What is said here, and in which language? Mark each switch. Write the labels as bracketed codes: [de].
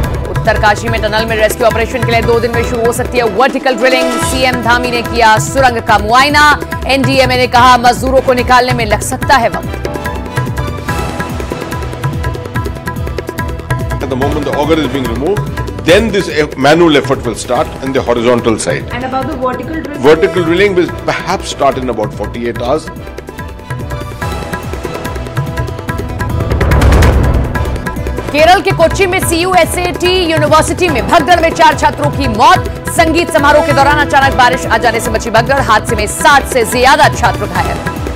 [hi] उत्तरकाशी में टनल में rescue operation के लिए 2 दिन में शुरू हो सकती है वर्टिकल ड्रिलिंग। सीएम धामी ने किया सुरंग का मुआयना। एनडीएमए ने कहा, मजदूरों को निकालने में लग सकता है वक्त। [en] Then this manual effort will start in the horizontal side. And about the vertical drilling? Vertical drilling will perhaps start in about 48 hours. [hi] Kerala के कोच्चि में CUSAT यूनिवर्सिटी में भगदड़ में 4 छात्रों की मौत। संगीत समारोह के दौरान अचानक बारिश आ जाने से बची भगदड़, हादसे में 60 से ज्यादा छात्र घायल।